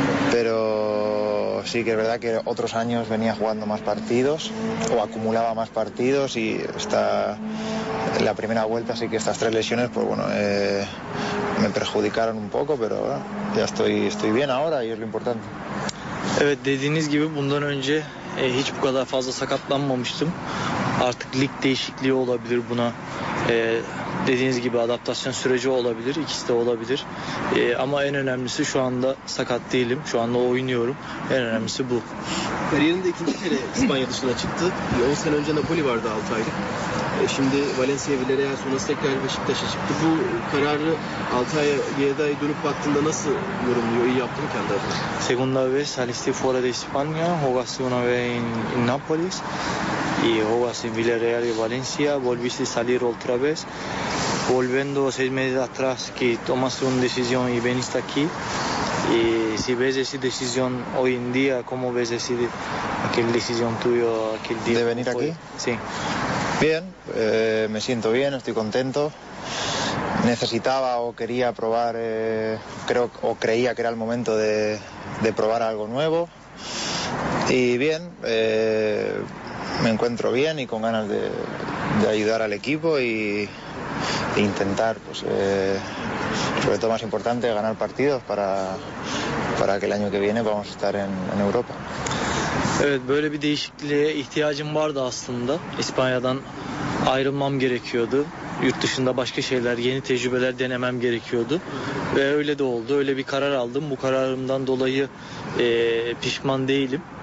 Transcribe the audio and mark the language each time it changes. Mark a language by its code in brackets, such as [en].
[es] Pero sí que es verdad que otros años venía jugando más partidos o acumulaba más partidos y está la primera vuelta, así que estas tres lesiones, pues bueno, me perjudicaron un poco, pero ya estoy bien ahora y es lo importante. [tr] Evet, dediğiniz gibi bundan önce hiç bu kadar fazla sakatlanmamıştım. Artık lig değişikliği olabilir buna. Dediğiniz gibi adaptasyon süreci olabilir, ikisi de olabilir. Ama en önemlisi şu anda sakat değilim. Şu anda oynuyorum. En önemlisi bu. Kariyerinde ikinci kere İspanya dışına çıktı. 10 sene önce Napoli vardı 6 aylık. Şimdi Valencia, Villarreal, sonrası tekrar Beşiktaş'a çıktı. Bu kararı 6 ay dönüp baktığında nasıl yorumluyor? İyi yaptın kendi adına. [es] Segunda vez saliste fuera de España. Jugaste una vez en Napoli. Y jugaste en Villarreal y Valencia. Volviste a salir otra vez. Volviendo 6 meses atrás que tomaste una decisión y veniste aquí. Y si ves esa decisión hoy en día, ¿cómo ves esa decisión tuya aquel día? ¿De venir aquí? Sí. Bien, me siento bien, estoy contento. Necesitaba o quería probar, creo o creía que era el momento de probar algo nuevo. Y bien, me encuentro bien y con ganas de ayudar al equipo y e intentar, pues, sobre todo más importante, ganar partidos para que el año que viene vamos a estar en Europa. [tr] Evet, böyle bir değişikliğe ihtiyacım vardı aslında. İspanya'dan ayrılmam gerekiyordu. Yurt dışında başka şeyler, yeni tecrübeler denemem gerekiyordu. Ve öyle de oldu. Öyle bir karar aldım. Bu kararımdan dolayı pişman değilim.